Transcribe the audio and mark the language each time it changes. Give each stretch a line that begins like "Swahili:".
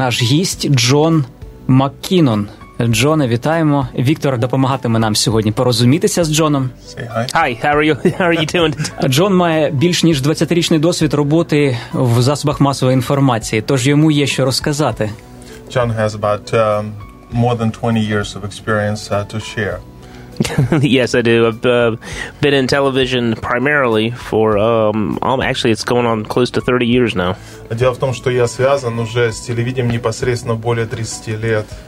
Ukrainian: Наш гість Джон Маккінон. Джоне, вітаємо. Віктор допомагатиме нам сьогодні порозумітися з Джоном.
English: Hi, how are you doing?
Ukrainian: Джон має більш ніж 20-річний досвід роботи в засобах масової інформації, тож йому є що розказати.
English: John has about more than 20 years of experience to share. Yes, I do. I've been in television primarily for actually it's going on close to 30 years now.
Russian: Дело в том,
Ukrainian: що я зв'язан уже з телевізором
Russian: непосредственно более 30 лет.